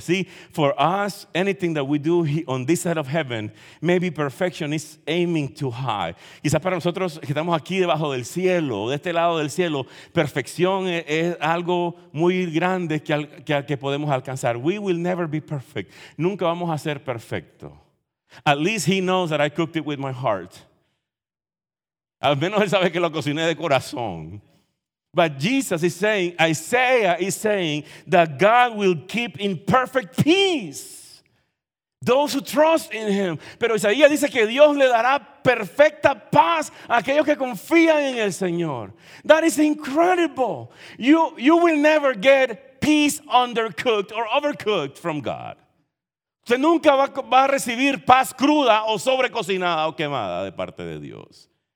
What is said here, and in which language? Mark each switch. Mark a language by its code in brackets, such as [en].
[en] See, for us, anything that we do on this side of heaven, maybe perfection is aiming too high. [es] Quizás para nosotros que estamos aquí debajo del cielo, de este lado del cielo, perfección es algo muy grande que podemos alcanzar. [en] We will never be perfect. [es] Nunca vamos a ser perfecto. [en] At least he knows that I cooked it with my heart. [es] Al menos él sabe que lo cociné de corazón. [en] But Jesus is saying, Isaiah is saying that God will keep in perfect peace those who trust in him. [es] Pero Isaías dice que Dios le dará perfecta paz a aquellos que confían en el Señor. [en] That is incredible. You will never get peace undercooked or overcooked from God. [es] Usted nunca va a recibir paz cruda o sobrecocinada o quemada de parte de Dios.